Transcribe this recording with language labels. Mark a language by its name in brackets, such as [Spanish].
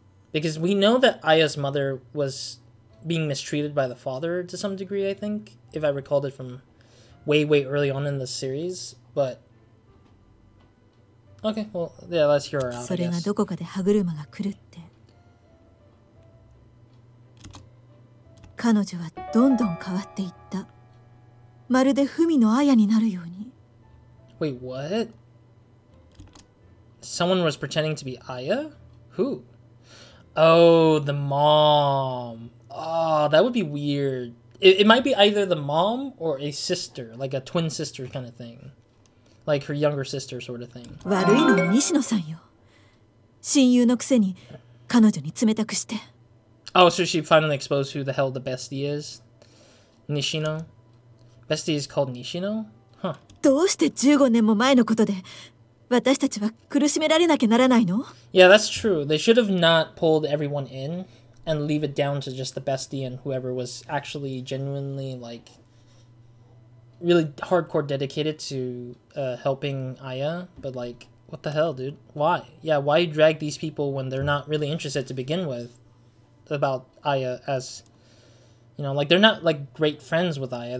[English] Because we know that Aya's mother was being mistreated by the father to some degree, I think, if I recalled it from way, way early on in the series. But. Okay, well, yeah, let's hear her out. [Japanese] それがどこかで歯車が来るって。彼女はどんどん変わっていった。まるでフミのアヤになるように。 [English] Wait, what? Someone was pretending to be Aya? Who? Oh, the mom. Oh, that would be weird. It might be either the mom or a sister, like a twin sister kind of thing. Like her younger sister sort of thing. [Japanese] 悪いのは西野さんよ。親友のくせに彼女に冷たくして。 [English] Oh, so she finally exposed who the hell the bestie is? Nishino? Bestie is called Nishino? [Japanese] どうして15年も前のことで私たちは苦しめられなきゃならないの? [English] Yeah, that's true. They should have not pulled everyone in and leave it down to just the bestie and whoever was actually genuinely, like, really hardcore dedicated to helping Aya. But, like, what the hell, dude? Why? Yeah, why drag these people when they're not really interested to begin with about Aya as, you know, like, they're not, like, great friends with Aya.